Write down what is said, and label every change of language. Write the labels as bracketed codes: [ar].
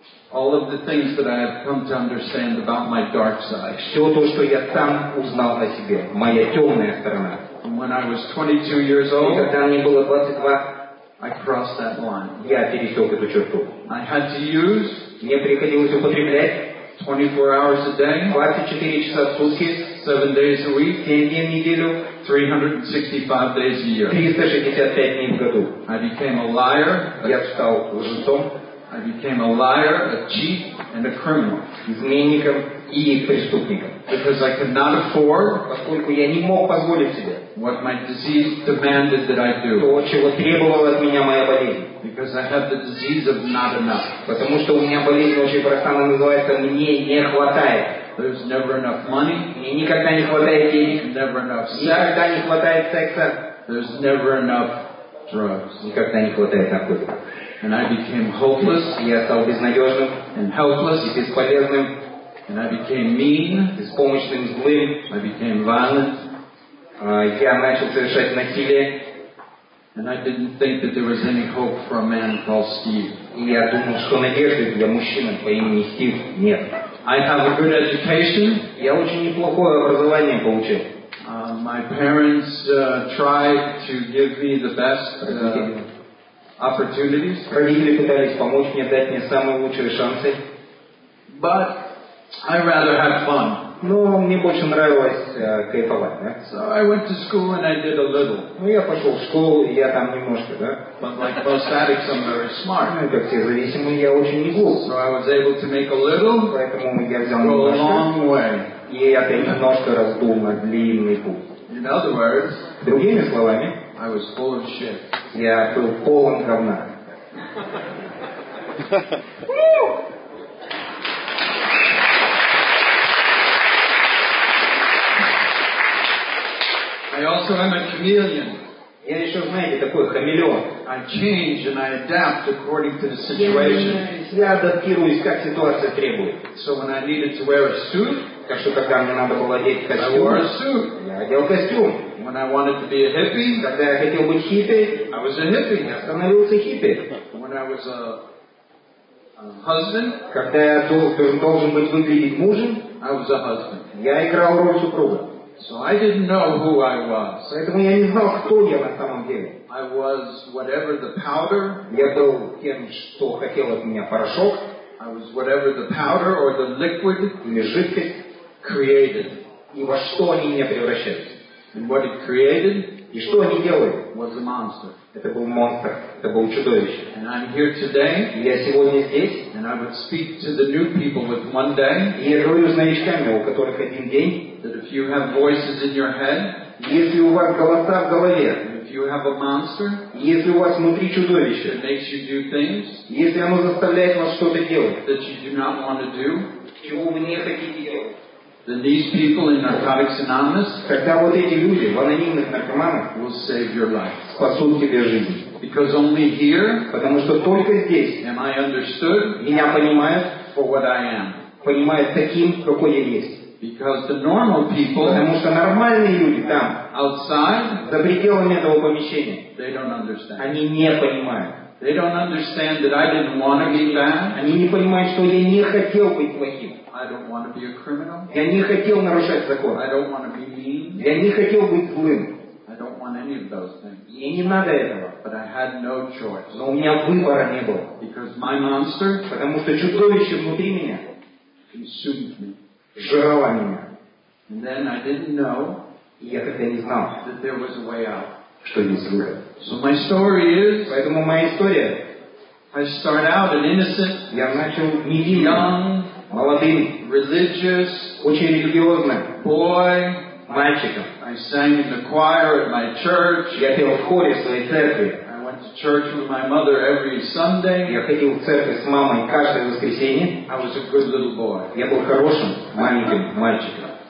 [en] All of the things that I have come to understand about my dark side. [ru] Все то, что я сам узнал о себе, моя темная сторона. [en] When I was 22 years old, [ru] когда мне было 22, [en] I crossed that line. [ru] Я пересек эту черту. [en] I had to use, [ru] мне приходилось употреблять [en] 24 hours a day, [ru] 24 часа в сутки, [en] 7 days a week, [ru] 7 дней в неделю, [en] 365 days a year. [ru] 365 дней в году. [en] I became a liar. [ru] Я стал лжецом. [en] I became a liar, a cheat, and a criminal. [ru] Изменником и преступником. [en] Because I could not afford, [ru] поскольку я не мог позволить себе, [en] what my disease demanded that I do. [ru] То, чего требовала от меня моя болезнь. [en] Because I have the disease of not enough. [ru] Потому что у меня болезнь очень проста, она называется «мне не хватает». [en] There's never enough money. [ru] Мне никогда не хватает денег. [en] Never enough sex. [ru] Никогда не хватает секса. [en] There's never enough drugs. [ru] Никогда не хватает наркотиков. [en] And I became hopeless. [ru] Я стал безнадежным. [en] And helpless. [ru] И бесполезным. [en] And I became mean. [ru] Беспомощным, злым. [en] I became violent. [ru] Я начал совершать насилие. [en] And I didn't think that there was any hope for a man called Steve. [ru] И я думал, что надежды для мужчины по имени Стив нет. [en] I have a good education. [ru] Я очень неплохое образование получил. [en] My parents tried to give me the best opportunities. [ru] Родители пытались помочь мне, дать мне самые лучшие шансы. [en] But I rather had fun. [ru] Но мне больше нравилось кайфовать, да? [en] So I went to school and I did a little. [ru] Ну я пошел в школу и я там немножко, да? [en] But like most addicts, I'm very smart. [ru] Ну как все зависимые, я очень не глуп. [en] So I was able to make a little. [ru] Поэтому я взял немножко. [en] Go a long way. [ru] И я немножко раздул на длинный путь. [en] In other words, [ru] другими словами, [en] I was full of shit. [ru] Я был полон говна. [en] I also am a chameleon. [ru] Я еще, знаете, такой хамелеон. [en] I change and I adapt according to the situation. [ru] Я адаптируюсь, как ситуация требует. [en] So when I needed to wear a suit, [ru] так что когда мне надо было одеть костюм, [en] I wore a suit. [ru] Я одел костюм. [en] When I wanted to be a hippie, [ru] когда я хотел быть хиппи, [en] I was a hippie. [ru] Я становился хиппи. [en] When I was a husband, [ru] когда я должен быть выглядеть мужем, [en] I was a husband. [ru] Я играл роль супруга. [en] So I didn't know who I was. [ru] Поэтому я не знал, кто я на самом деле. [en] I was whatever the powder. [ru] Я был тем, что хотел от меня порошок. [en] I was whatever the powder or the liquid created. [ru] И во что они меня превращались? [en] And what it created? [ru] И что они делали? [en] Was a monster. [ru] Это был монстр. Это было чудовище. [en] And I'm here today. [ru] И я сегодня здесь. [en] And I would speak to the new people with one day. [ru] И я говорю с новичками, у которых один день. [en] That if you have voices in your head, [ru] если у вас голоса в голове, [en] if you have a monster, [ru] если у вас внутри чудовище, [en] that makes you do things, [ru] если оно заставляет вас что-то делать, [en] that you do not want to do, [ru] чего вы не хотите делать, [en] then these people in Narcotics Anonymous, [ru] тогда вот эти люди в анонимных наркоманах, [en] will save your life, [ru] спасут тебе жизнь, [en] because only here, [ru] потому что только здесь, [en] am I understood, [ru] меня понимают, [en] for what I am, [ru] понимают таким, какой я есть. [en] Because the normal people, [ru] потому что нормальные люди там, [en] outside, [ru] за пределами этого помещения, [en] they don't understand. [ru] Они не понимают. [en] They don't understand that I didn't want to be bad. [ru] Они не понимают, что я не хотел быть плохим. [en] I don't want to be a criminal. [ru] Я не хотел нарушать закон. [en] I don't want to be mean. [ru] Я не хотел быть злым. [en] I don't want any of those things. [ru] Мне не надо этого. [en] But I had no choice. [ru] Но у меня выбора не было. [en] Because my monster, [ru] потому что чудовище внутри меня, [en] consumed me. [ru] Жрала меня. [en] And then I didn't know, [ru] и я тогда не знал, [en] that there was a way out. [ru] Что есть выход. [en] So my story is, [ru] поэтому моя история, [en] I start out an innocent, [ru] я начал невинным, [en] young, [ru] молодым, [en] religious, [ru] очень религиозным, [en] boy, [ru] мальчиком. [en] I sang in the choir at my church. [ru] Я пел в хоре своей церкви. [en] I went to church with my mother every Sunday. [ru] Я ходил в церковь с мамой каждое воскресенье. [en] I was a good little boy. [ru] Я был хорошим маленьким мальчиком.